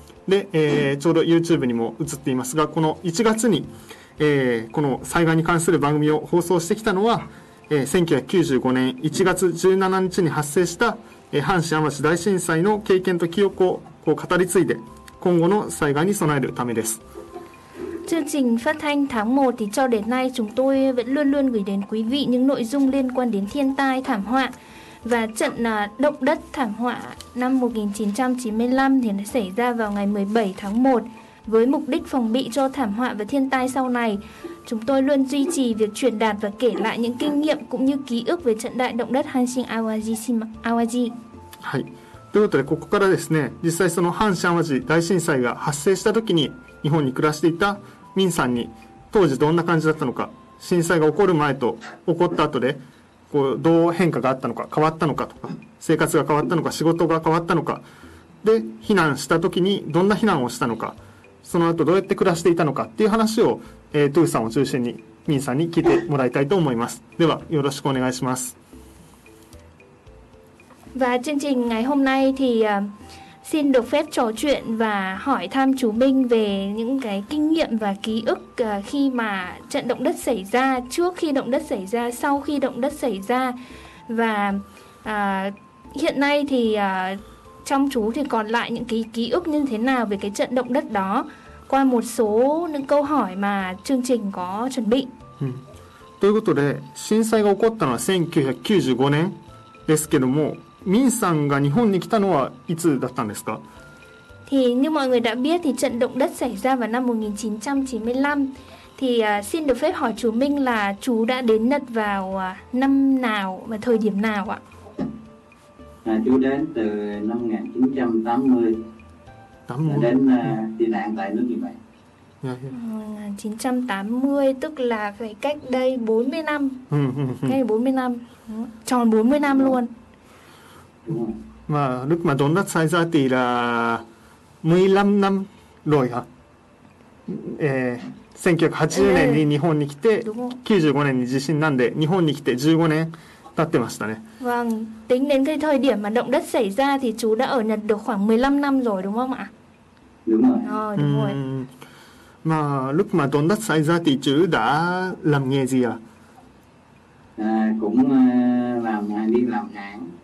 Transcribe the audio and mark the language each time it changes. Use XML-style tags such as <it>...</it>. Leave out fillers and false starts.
<ja>で、ちょうど YouTube にも映っていますが、この1月に、この災害に関する番組を放送してきたのは、1995年1月17日に発生した、阪神淡路大震災の経験と記憶をこう語り継いで今後の災害に備えるためです。</ja> <vi>Chương trình phát thanh tháng 1 thì cho đến nay chúng tôi vẫn luôn luôn gửi đến quý vị những nội dung liên quan đến thiên tai, thảm họa. Và trận động đất thảm họa năm 1995 thì nó xảy ra vào ngày 17 tháng 1 với mục đích phòng bị cho thảm họa và thiên tai sau này. Chúng tôi luôn duy trì việc truyền đạt và kể lại những kinh nghiệm cũng như ký ức về trận đại động đất Hanshin Awaji.</vi> <ja>ということで、ここからですね、実際その阪神淡路大震災が発生した時に日本に暮らしていたミンさんに当時どんな感じだったのか、震災が起こる前と起こった後でこうどう変化があったのか、変わったのかとか、生活が変わったのか、仕事が変わったのか、で避難した時にどんな避難をしたのか、その後どうやって暮らしていたのかっていう話を、トゥーさんを中心にミンさんに聞いてもらいたいと思います。ではよろしくお願いします。</ja> <vi>Và chương trình ngày hôm nay thì xin được phép trò chuyện và hỏi thăm chú Minh về những cái kinh nghiệm và ký ức khi mà trận động đất xảy ra, trước khi động đất xảy ra, sau khi động đất xảy ra. Và hiện nay thì trong chú thì còn lại những cái ký ức như thế nào về cái trận động đất đó qua một số những câu hỏi mà chương trình có chuẩn bị.</vi> <ja>ということで、震災が起こったのは1995年ですけども、ミンさんが日本に来たのはいつだったんですか？</ja> <vi>Thì như mọi người đã biết thì trận động đất xảy ra vào năm 1995. Thì xin được phép hỏi chú Minh là chú đã đến Nhật vào năm nào và thời điểm nào ạ? À, chú đến từ năm 1980. Đến tị nạn tại nước Nhật Bản. 1980 tức là phải cách đây 40 năm. Ngay 40 năm. Tròn 40 năm luôn. Mà lúc mà động đất xảy ra thì là 15 năm rồi hả?</vi> <ja>1980年に日本に来て、95年に地震なんで日本に来て15年経ってましたね。</ja> <vi>Vâng, tính đến cái thời điểm mà động đất xảy ra thì chú đã ở Nhật được khoảng 15 năm rồi đúng không ạ? Đúng rồi. Mà lúc mà động đất xảy ra thì chú đã làm nghề gì ạ? Cũng làm đi làm hãng.</vi>